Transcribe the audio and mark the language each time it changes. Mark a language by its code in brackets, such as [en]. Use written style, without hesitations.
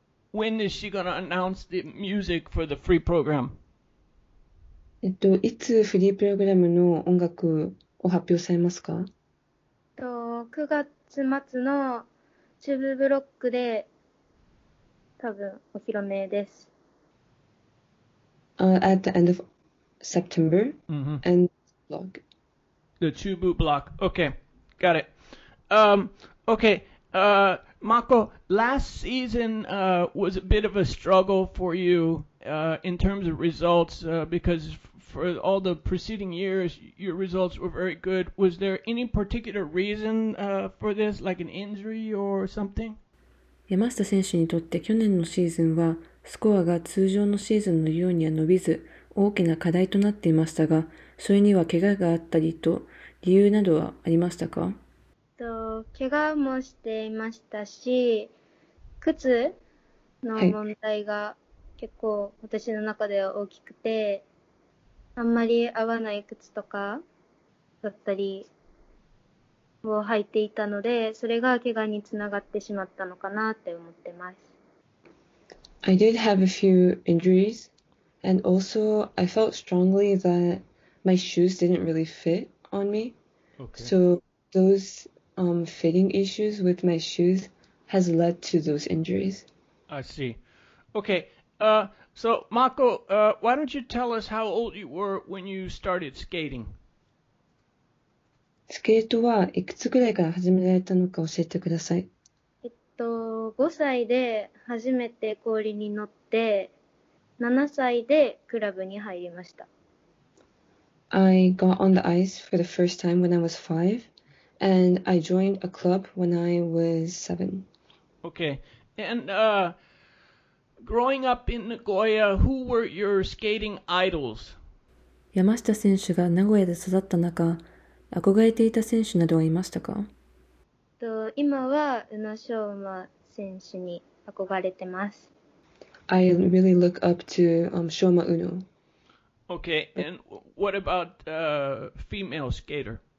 [en] When is she gonna announce the music for the free program? [ja] いつフリープログラムの音楽を発表されますか？ 9月末のチューブブロックで多分お披露目です。 [en] At the end of September, and blog. The Chubu blog. Okay, got it. Mako, last season was a bit of a struggle for you in terms of results because for all the preceding years, your results were very good. Was there any particular reason for this, like an injury or something? [ja] 山下選手にとって去年のシーズンはスコアが通常のシーズンのようには伸びず大きな課題となっていましたが、それには怪我があったりと理由などはありましたか？怪我もしていましたし、靴の問題が結構私の中では大きくて、あんまり合わない靴とかだったりを履いていたので、それが怪我につながってしまったのかなって思ってます。 [en] I did have a few injuries, and also I felt strongly that my shoes didn't really fit on me. Okay. So those fitting issues with my shoes has led to those injuries. I see. Okay. So Mako, why don't you tell us how old you were when you started skating? [ja] スケートはいくつくらいから始められたのか教えてください。 5歳で初めて氷に乗って、7歳でクラブに入りました。 [en] I got on the ice for the first time when I was 5, and I joined a club when I was 7. Okay. And, growing up in Nagoya, who were your skating idols? [ja] 山下選手が名古屋で育った中、憧れていた選手などはいましたか？今は宇野昌磨選手に憧れてます。 [en] I really look up to Shoma Uno. Okay, and what about female skater?